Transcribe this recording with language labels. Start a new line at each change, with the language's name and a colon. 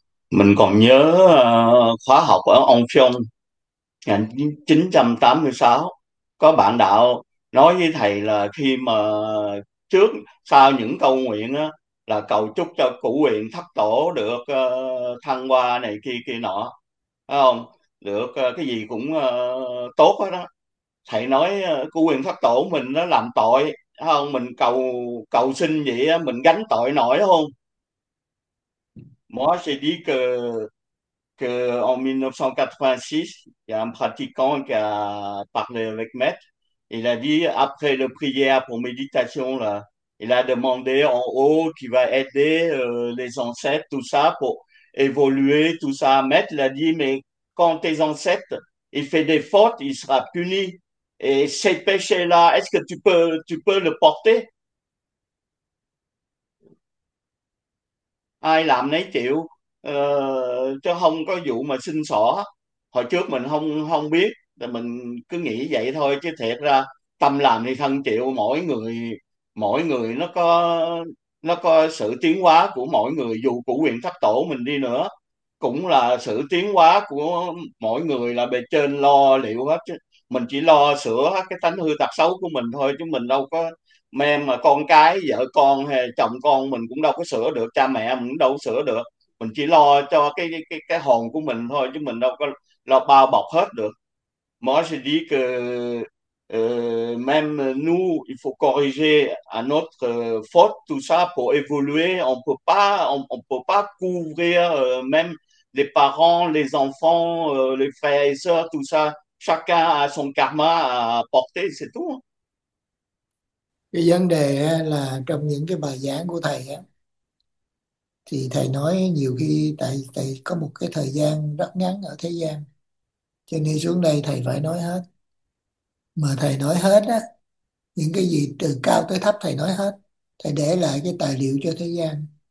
Vietnamese: Mình còn nhớ khóa học ở Ông Phiông 1986, có bạn đạo nói với thầy là khi mà trước sau những câu nguyện đó, là cầu chúc cho cửu quyền thất tổ được thăng hoa này kia kia nọ, phải không, được cái gì cũng tốt hết đó. Thầy nói cửu quyền thất tổ mình nó làm tội, không, mình cầu cầu xin vậy á, mình gánh tội nổi không?
French: Moi, j'ai dit que en 1986, il y a un pratiquant qui a parlé avec Maître. Il a dit, après la prière pour méditation, là, il a demandé en haut qu'il va aider les ancêtres, tout ça, pour évoluer, tout ça. Maître l'a dit, mais quand tes ancêtres, ils font des fautes, ils seront punis. Et ces péchés-là, est-ce que tu peux le porter?
Vietnamese: Ai làm nấy chịu, chứ không có vụ mà xin xỏ. Hồi trước mình không không biết, thì mình cứ nghĩ vậy thôi, chứ thiệt ra tâm làm thì thân chịu. Mỗi người nó có sự tiến hóa của mỗi người, dù của quyền thất tổ mình đi nữa cũng là sự tiến hóa của mỗi người, là bề trên lo liệu hết, chứ mình chỉ lo sửa hết cái tánh hư tật xấu của mình thôi, chứ mình đâu có mem mà con cái, vợ con hay chồng con mình cũng đâu có sửa được, cha mẹ mình cũng đâu có sửa được. Mình chỉ lo cho cái hồn của mình thôi, chứ mình đâu có lo bao bọc hết được.
French: Moi, je dis que même nous, il faut corriger à notre faute, tout ça, pour évoluer. On peut pas couvrir même les parents, les enfants, les frères et sœurs, tout ça. Chacun a son karma à porter, c'est tout.
Vietnamese: Cái vấn đề là trong những cái bài giảng của thầy á, thì thầy nói nhiều khi tại thầy có một cái thời gian rất ngắn ở thế gian, cho nên xuống đây thầy phải nói hết. Mà thầy nói hết á, những cái gì từ cao tới thấp thầy nói hết, thầy để lại cái tài liệu cho thế gian.